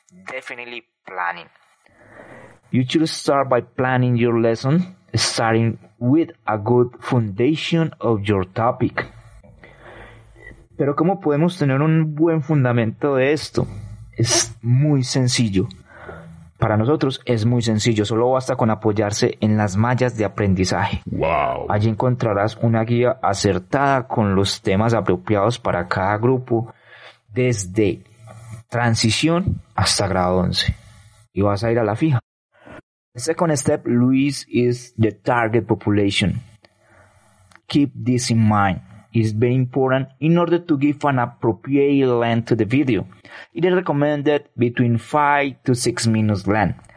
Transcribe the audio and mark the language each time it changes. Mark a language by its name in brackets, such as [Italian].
[English] Definitely planning. You should start by planning your lesson, starting with a good foundation of your topic. [Spanish] Pero ¿cómo podemos tener un buen fundamento de esto? Es muy sencillo. Para nosotros es muy sencillo. Solo basta con apoyarse en las mallas de aprendizaje. [English] Wow. [Spanish] Allí encontrarás una guía acertada con los temas apropiados para cada grupo desde transición hasta grado 11. Y vas a ir a la fija. [English] The second step, Luis, is the target population. Keep this in mind. It's very important in order to give an appropriate length to the video. It is recommended between 5 to 6 minutes length.